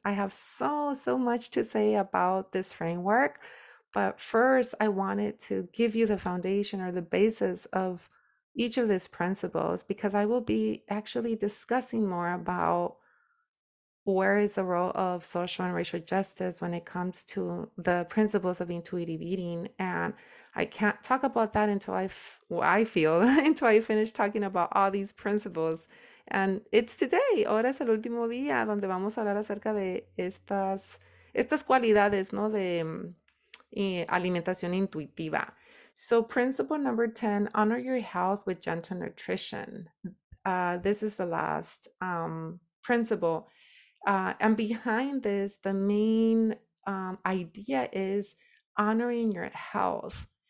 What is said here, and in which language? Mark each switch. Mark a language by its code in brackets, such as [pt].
[en] I have so much to say about this framework, but first I wanted to give you the foundation or the basis of each of these principles, because I will be actually discussing more about where is the role of social and racial justice when it comes to the principles of intuitive eating. And I can't talk about that until I finish talking about all these principles. And it's today. [es] Ahora es el último día donde vamos a hablar acerca de estas cualidades, ¿no? De alimentación intuitiva. [en] So principle number 10, honor your health with gentle nutrition. This is the last principle. And behind this, the main idea is honoring your health.